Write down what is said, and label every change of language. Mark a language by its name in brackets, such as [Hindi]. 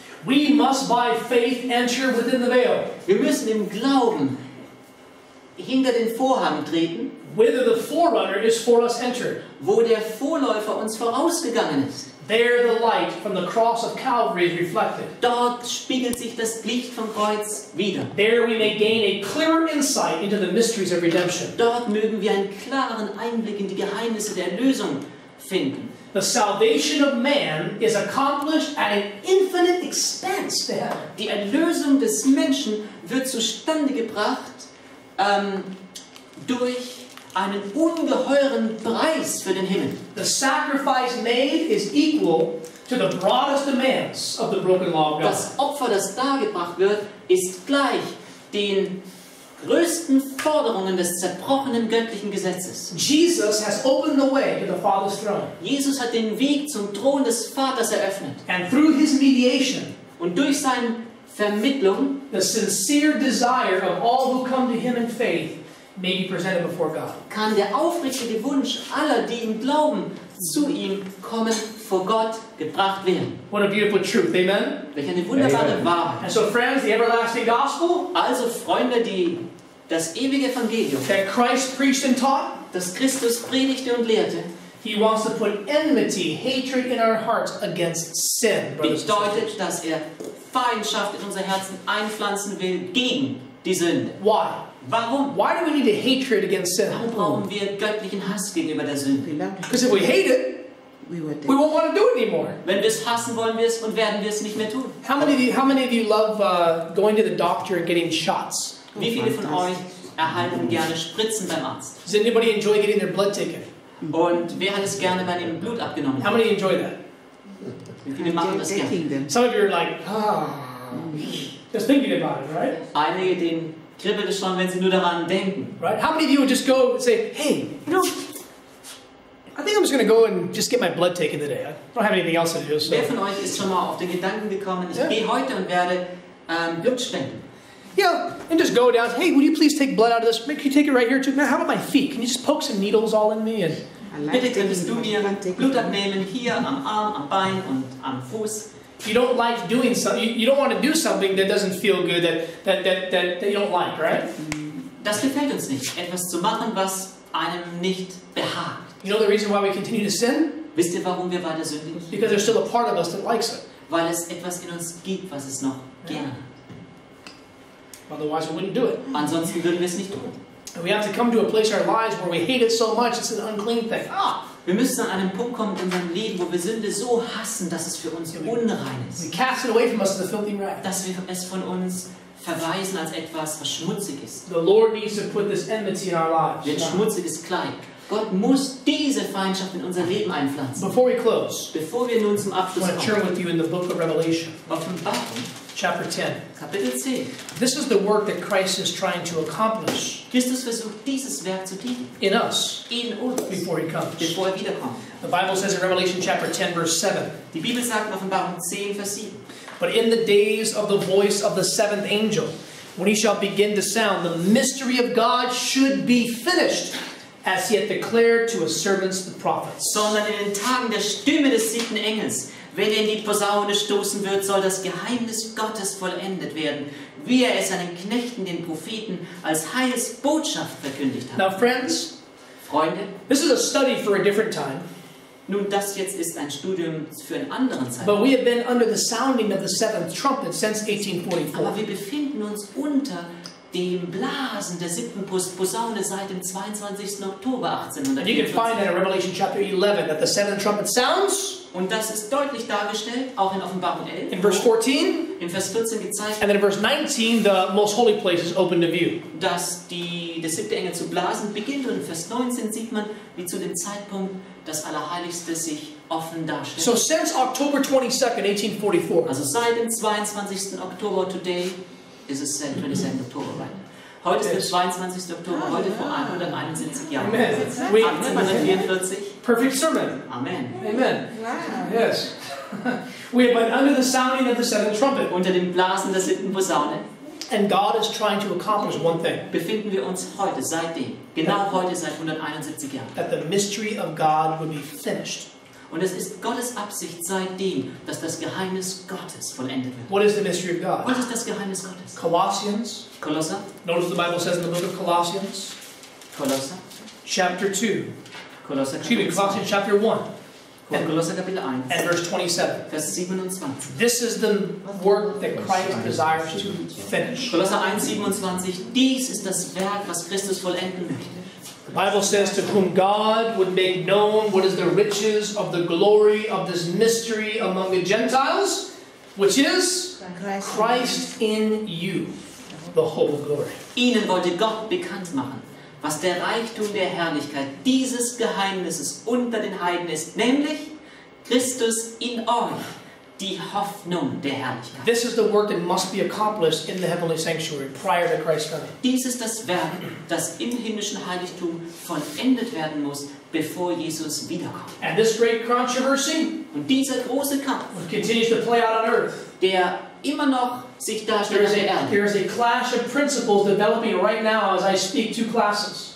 [English] We must by faith enter within the veil. [German] Wir müssen im Glauben hinter den Vorhang treten, [English] whither the forerunner is for us entered, [German] wo der Vorläufer uns vorausgegangen ist. [English] There the light from the cross of Calvary is reflected. [German] Dort spiegelt sich das Licht vom Kreuz wieder. [English] There we may gain a clearer insight into the mysteries of redemption. [German] Dort mögen wir einen klaren Einblick in die Geheimnisse der Erlösung finden. [English] The salvation of man is accomplished at an infinite expense to heaven. [German] Die Erlösung des Menschen wird zustande gebracht durch einen ungeheuren Preis für den Himmel. [English] The sacrifice made is equal to the broadest demands of the broken law of God. [German] Das Opfer, das dargebracht wird, ist gleich den größten Forderungen des zerbrochenen göttlichen Gesetzes. [English] Jesus has opened the way to the Father's throne. [German] Jesus hat den Weg zum Thron des Vaters eröffnet. [English] And through his mediation, [German] und durch sein Vermittlung, [English] the sincere desire of all who come to him in faith may be presented before God. [German] Kann der aufrichtige Wunsch aller, die im Glauben zu ihm kommen, vor Gott gebracht werden. [English] What a beautiful truth, amen? [German] Welch eine wunderbare amen. Wahrheit. [English] And so friends, the everlasting gospel, [German] also Freunde, die das ewige Evangelium, [English] that Christ preached and taught, [German] das Christus predigte und lehrte, [English] he wants to put enmity, hatred in our hearts against sin, brothers and sisters. [German] Bedeutet, dass er Feindschaft in unser Herzen einpflanzen will gegen die Sünde. [English] Why? [German] Warum? [English] Why do we need a hatred against sin? [German] Warum brauchen wir göttlichen Hass gegenüber der Sünde? [English] Because if we hate it, We won't want to do it anymore. [German] Wenn wir es hassen, wollen wir es und werden wir es nicht mehr tun. [English] How many of you love going to the doctor and getting shots? [German] Wie viele von euch erhalten gerne Spritzen beim Arzt? [English] Does anybody enjoy getting their blood taken? [German] Und wer hat es gerne bei dem Blut abgenommen? [English] How many enjoy that? [German] Wie viele machen das gerne? [English] Some of you are like, ah, just thinking about it, right? [German] Einige, denen kribbelt es schon, wenn sie nur daran denken. [English] Right? How many of you would just go and say, hey, you know, I think I'm just going to go and just get my blood taken today. I don't have anything else to do. So. [German] Wer von euch ist schon mal auf den Gedanken gekommen, ich gehe heute und werde Blut spenden? [English] Yeah, and just go down. Hey, would you please take blood out of this? Can you take it right here too? Now, how about my feet? Can you just poke some needles all in me? And [German] bitte könntest du mir Blut abnehmen hier am Arm, am Bein und am Fuß? [English] You don't like doing something. You don't want to do something that doesn't feel good. That you don't like, right? [German] Das gefällt uns nicht. Etwas zu machen, was einem nicht behagt. [English] You know the reason why we continue to sin? [German] Wisst ihr, warum wir weiter sündigen? [English] Because there's still a part of us that likes it. [German] Weil es etwas in uns gibt, was es noch gerne. [English] Otherwise, we wouldn't do it. [German] Ansonsten würden wir es nicht tun. [English] And we have to come to a place in our lives where we hate it so much it's an unclean thing. [German] Ah, wir müssen an einen Punkt kommen in unserem Leben, wo wir Sünde so hassen, dass es für uns unrein ist. [English] We cast it away from us as a filthy rag. [German] Dass wir es von uns verweisen als etwas, was schmutzig ist. [English] The Lord needs to put this enmity in our lives. [German] Ein schmutziges Kleid. Gott muss diese Feindschaft in unser Leben einpflanzen. [English] Before we close, [German] bevor wir nun zum Abschluss kommen, [English] I want to turn with you in the book of Revelation. Chapter 10. [German] Kapitel 10. [English] This is the work that Christ is trying to accomplish. [German] Christus versucht dieses Werk zu tun. [English] In us. [German] In uns. [English] Before he comes. [German] Bevor er wiederkommt. [English] The Bible says in Revelation chapter 10 verse 7. [German] Die Bibel sagt in Offenbarung 10 Vers 7. [English] But in the days of the voice of the seventh angel, when he shall begin to sound, the mystery of God should be finished, as he had declared to his servants the prophets. [German] Sondern in den Tagen der Stimme des siebten Engels, wenn er in die Posaune stoßen wird, soll das Geheimnis Gottes vollendet werden, wie er es seinen Knechten, den Propheten, als Heilsbotschaft verkündigt hat. [English] Now friends, [German] Freunde, [English] this is a study for a different time. [German] Nun, das jetzt ist ein Studium für einen anderen Zeitpunkt. [English] But we have been under the sounding of the seventh trumpet since 1844. [German] Aber wir befinden uns unter dem Blasen der siebten Posaune seit dem 22. Oktober 1844. [English] You can find that in Revelation chapter 11 that the seventh trumpet sounds. [German] Und das ist deutlich dargestellt, auch in Offenbarung 11. [English] In verse 14. [German] In Vers 14 gezeigt. [English] And then in verse 19, the most holy place is open to view. [German] Dass der siebte Engel zu blasen beginnt und in Vers 19 sieht man, wie zu dem Zeitpunkt das Allerheiligste sich offen darstellt. [English] So since October 22nd, 1844. [German] Also seit dem 22. Oktober [English] today. Is it 22nd October, right? [German] Heute ist der 22. Oktober, heute vor 171 Jahren. [English] Amen. 1844. Perfect sermon. Amen. Amen. Wow. Yes. We have been under the sounding of the seventh trumpet. [German] Unter dem Blasen der siebten Posaune. [English] And God is trying to accomplish one thing. [German] Befinden wir uns heute, seitdem, genau heute seit 171 Jahren. [English] That the mystery of God would be finished. [German] Und es ist Gottes Absicht seitdem, dass das Geheimnis Gottes vollendet wird. [English] What is the mystery of God? [German] Was ist das Geheimnis Gottes? [English] Colossians. [German] Kolosser. [English] Notice the Bible says in the book of Colossians. [German] Kolosser. [English] Chapter 2. [German] Kolosser Kapitel 2. [English] Colossians chapter 1. [German] Kolosser Kapitel 1. [English] And verse 27. [German] Vers 27. [English] This is the work that Christ desires to finish. [German] Kolosser 1, 27. Dies ist das Werk, was Christus vollenden möchte. [English] The Bible says, to whom God would make known what is the riches of the glory of this mystery among the Gentiles, which is Christ in you, the whole glory. [German] Ihnen wollte Gott bekannt machen, was der Reichtum der Herrlichkeit dieses Geheimnisses unter den Heiden ist, nämlich Christus in euch, die Hoffnung der Herrlichkeit. [English] This is the work that must be accomplished in the heavenly sanctuary prior to Christ's coming. [German] Dies ist das Werk, das im himmlischen Heiligtum vollendet werden muss, bevor Jesus wiederkommt. [English] And this great controversy, [German] und dieser große Kampf, [English] continues to play out on earth. [German] Der immer noch sich darstellt auf der Erde. [English] There is a clash of principles developing right now as I speak two classes.